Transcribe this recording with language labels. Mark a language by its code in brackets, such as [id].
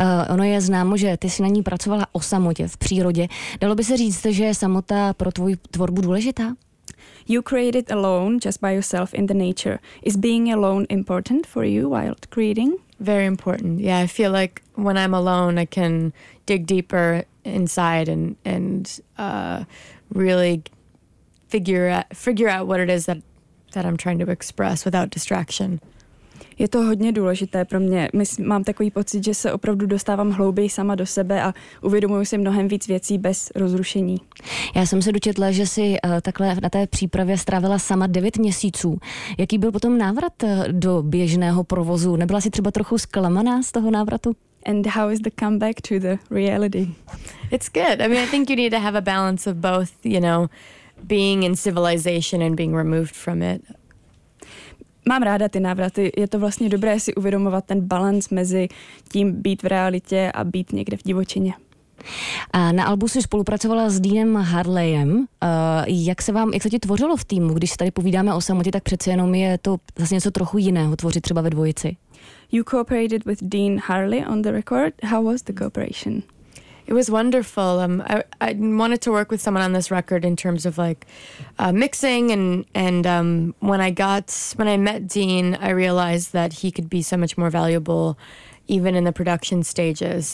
[cs] Ono je známo, že ty jsi na ní pracovala o samotě v přírodě. Dalo by se říct, že je samota pro tvou tvorbu důležitá? [en] You created alone, just by yourself in the nature. Is being alone important for you while creating? Very important. Yeah, I feel like when I'm alone, I can dig deeper inside and really figure out what it is that I'm trying to express without distraction. [cs] Je to hodně důležité pro mě. Mám takový pocit, že se opravdu dostávám hlouběji sama do sebe a uvědomuji si mnohem víc věcí bez rozrušení. Já jsem se dočetla, že si takhle na té přípravě strávila sama 9 měsíců. Jaký byl potom návrat do běžného provozu? Nebyla si třeba trochu zklamaná z toho návratu? [en] And how is the comeback to the reality? It's good. I mean, I think you need to have a balance of both, you know, being in civilization and being removed from it. [cs] Mám ráda ty návraty. Je to vlastně dobré si uvědomovat ten balanc mezi tím být v realitě a být někde v divočině. Na albu jsi spolupracovala s Deanem Harleyem. Jak se ti tvořilo v týmu, když se tady povídáme o samotě, tak přece jenom je to zase něco trochu jiného tvořit třeba ve dvojici. [en] You cooperated with Dean Harley on the record. How was the cooperation? It was wonderful. I wanted to work with someone on this record in terms of like mixing, and when I met Dean, I realized that he could be so much more valuable even in the production stages.